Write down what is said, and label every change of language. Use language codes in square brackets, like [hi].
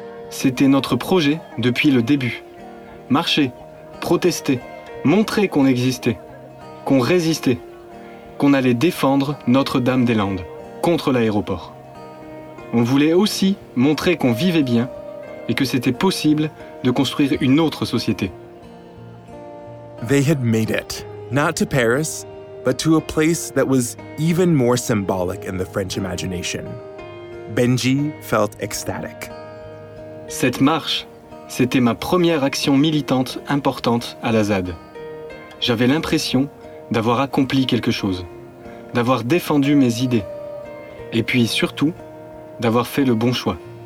[fr] C'était notre projet depuis le début. Marcher, protester, montrer qu'on existait, qu'on résistait, qu'on allait défendre Notre-Dame-des-Landes contre l'aéroport. On voulait aussi montrer qu'on vivait bien et que c'était possible de construire une autre société. [en] They had made it, not to Paris, but to a place that was even more symbolic in the French imagination. Benji felt ecstatic. [fr] Cette marche, c'était ma première action militante importante à la ZAD. J'avais l'impression d'avoir accompli quelque chose, d'avoir défendu mes idées, et puis surtout, d'avoir fait le bon choix.